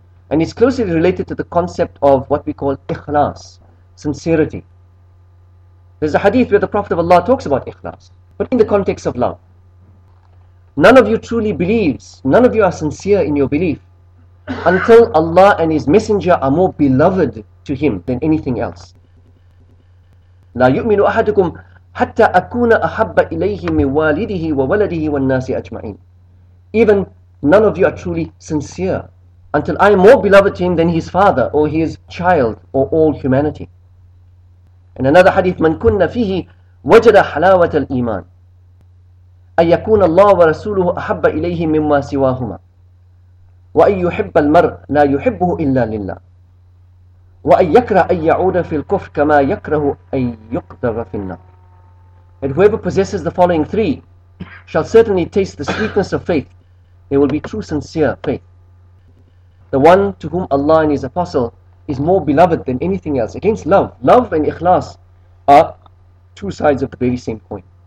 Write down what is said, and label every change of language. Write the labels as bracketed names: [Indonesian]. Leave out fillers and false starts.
[English] And it's closely related to the concept of what we call ikhlas, sincerity. There's a hadith where the Prophet of Allah talks about ikhlas, but in the context of love. None of you truly believes, none of you are sincere in your belief, until Allah and His Messenger are more beloved to Him than anything else. [Arabic] لا يؤمن أحدكم حتى أكون أحب إليه من والده وولده والناس أجمعين. [English] Even none of you are truly sincere until I am more beloved to Him than His father or His child or all humanity. And another hadith, [Arabic] من كن فيه وجد حلاوة الإيمان أن يكون الله ورسوله أحب إليه مما سواهما. وأن يحب المرء لا يحبه إلا لله وأن يكره أن يعود في الكفر كما يكره أن يقذف في النار. [English] And whoever possesses the following three shall certainly taste the sweetness of faith. They will be true sincere faith. The one to whom Allah and His Apostle is more beloved than anything else. Against love. Love and ikhlas are two sides of the very same coin.